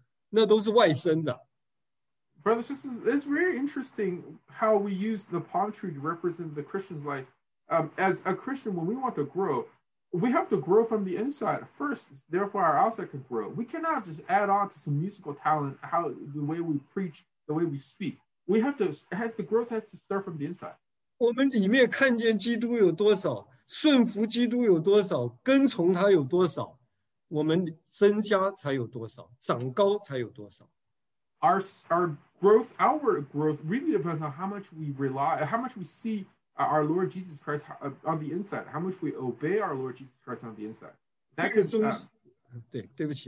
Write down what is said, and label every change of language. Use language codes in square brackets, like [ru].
[zh] 而不是外面学了一些样子啊、音乐啊、这个口号啊，或者是热情的表现，那都是外生的。 [en] Brothers, this is very interesting how we use the palm tree to represent the Christian life. As a Christian, when we want to grow, we have to grow from the inside first. Therefore, our outside can grow. We cannot just add on to some musical talent, how the way we preach, the way we speak. The growth has to start from the inside. [zh] 我们里面看见基督有多少，顺服基督有多少，跟从他有多少，我们增加才有多少，长高才有多少。 [en] Our growth, outward growth, really depends on how much we see our Lord Jesus Christ on the inside, how much we obey our Lord Jesus Christ on the inside. That could, [zh] 对不起，